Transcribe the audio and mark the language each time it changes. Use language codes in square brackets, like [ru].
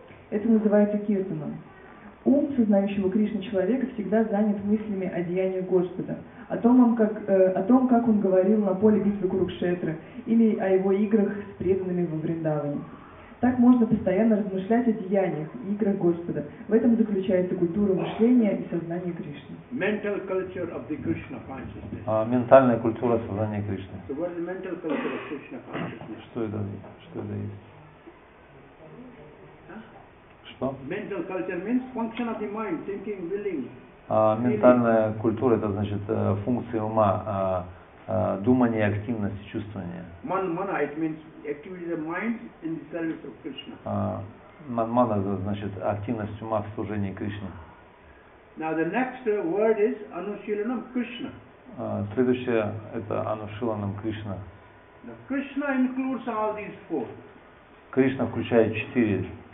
[ru] Это называется киртаном. Ум, сознающего Кришну человека, всегда занят мыслями о деяниях Господа, о том, как он говорил на поле битвы Курукшетры или о его играх с преданными во Вриндаване. Так можно постоянно размышлять о деяниях и играх Господа. В этом заключается культура мышления и сознания Кришны. [en] Mental culture of the Krishna consciousness. [ru] Ментальная культура сознания Кришны. [en] So what is the mental culture of Krishna consciousness? [ru] Что это есть? [en] Mental culture means function of the mind, thinking, willing. [ru] Ментальная культура — это значит функция ума, думание, активность, чувствование. [en] Манмана — it means activity of the mind in the service of Krishna. [ru] Манмана — это значит активность ума в служении Кришне. [en] Now the next word is Anushilanam Krishna. [ru] Следующее — это Anushilanam Krishna. [en] Now Krishna includes all these four. [ru] Кришна включает четыре.